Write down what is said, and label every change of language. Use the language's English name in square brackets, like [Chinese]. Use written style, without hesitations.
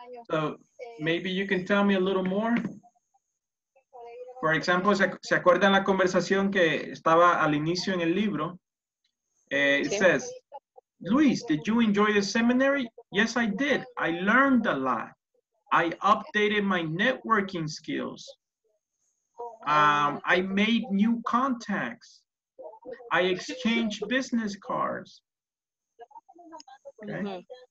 [English] So maybe you can tell me a little more. [Spanish] Por ejemplo, ¿se acuerdan la conversación que estaba al inicio en el libro? [English] It says, Luis, did you enjoy the seminary? Yes, I did. I learned a lot. I updated my networking skills. I made new contacts. I exchanged business cards. Okay.